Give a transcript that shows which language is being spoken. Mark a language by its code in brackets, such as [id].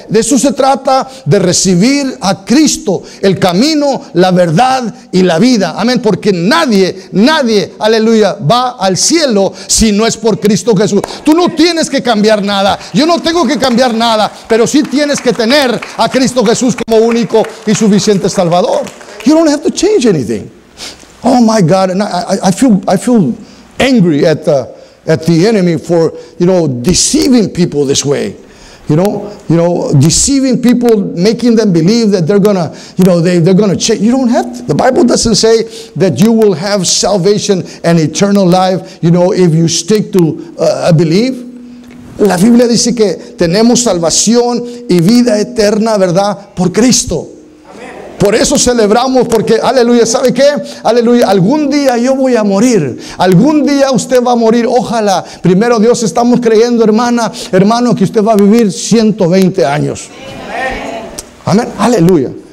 [es] De eso se trata, de recibir a Cristo, el camino, la verdad y la vida. Amén. Porque nadie, nadie, aleluya, va al cielo si no es por Cristo Jesús. Tú no tienes que cambiar nada. Yo no tengo que cambiar nada. Pero sí tienes que tener a Cristo Jesús como único y suficiente Salvador. [en] You don't have to change anything. Oh my God, and I feel angry at the enemy for, you know, deceiving people this way. You know, deceiving people, making them believe that they're gonna change. You don't have to. The Bible doesn't say that you will have salvation and eternal life, you know, if you stick to a belief. [es] La Biblia dice que tenemos salvación y vida eterna, ¿verdad? Por Cristo. Por eso celebramos, porque, aleluya, ¿sabe qué? Aleluya, algún día yo voy a morir. Algún día usted va a morir, ojalá. Primero Dios, estamos creyendo, hermana, hermano, que usted va a vivir 120 años. Amén, aleluya.